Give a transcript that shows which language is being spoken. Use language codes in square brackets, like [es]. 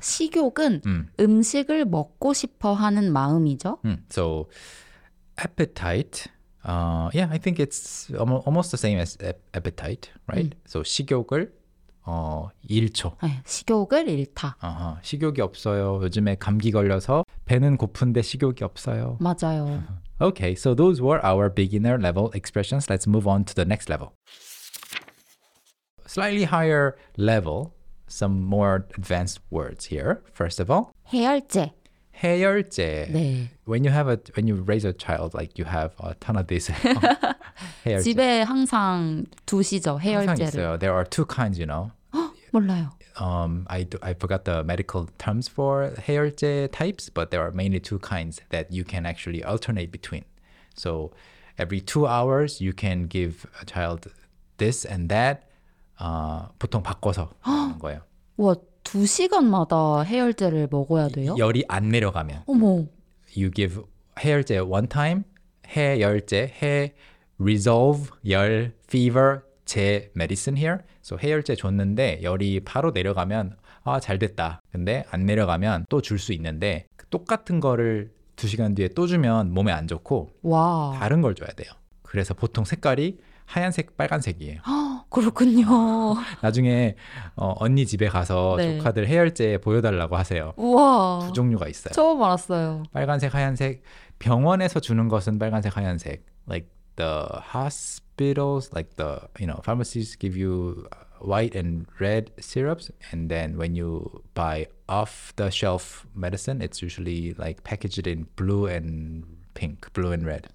[ko] 식욕은 음식을 먹고 싶어 하는 마음이죠. [en] So, appetite... yeah, I think it's almost the same as appetite, right? [ko] So 식욕을 잃죠. 네, 식욕을 잃다. 식욕이 없어요. 요즘에 감기 걸려서 배는 고픈데 식욕이 없어요. 맞아요. [en] Okay, so those were our beginner level expressions. Let's move on to the next level. Slightly higher level, some more advanced words here. First of all, [ko] 해열제. 해열제. 네. [en] When you have a when you raise a child like you have a ton of these. [ko] 해열제. 집에 항상 두시죠. 해열제를. 항상 있어요. [en] There are two kinds, you know. [ko] 몰라요. [en] I forgot the medical terms for 해열제 types, but there are mainly two kinds that you can actually alternate between. So every 2 hours you can give a child this and that. [ko] 보통 바꿔서 하는 거예요. [en] What? [ko] 두 시간마다 해열제를 먹어야 돼요? 열이 안 내려가면. 어머. [en] You give 해열제 one time. 해열제, 해, resolve, 열, fever, 제, medicine here. [ko] So 해열제 줬는데 열이 바로 내려가면 아, 잘 됐다. 근데 안 내려가면 또 줄 수 있는데 똑같은 거를 두 시간 뒤에 또 주면 몸에 안 좋고 와. 다른 걸 줘야 돼요. 그래서 보통 색깔이 하얀색, 빨간색이에요. 그렇군요. 나중에 언니 집에 가서 네. 조카들 해열제 보여달라고 하세요. 우와. 두 종류가 있어요. 처음 알았어요. 빨간색, 하얀색. 병원에서 주는 것은 빨간색, 하얀색. [en] Like the hospitals, like the you know pharmacies give you white and red syrups. And then when you buy off-the-shelf medicine, it's usually like packaged in blue and pink, blue and red.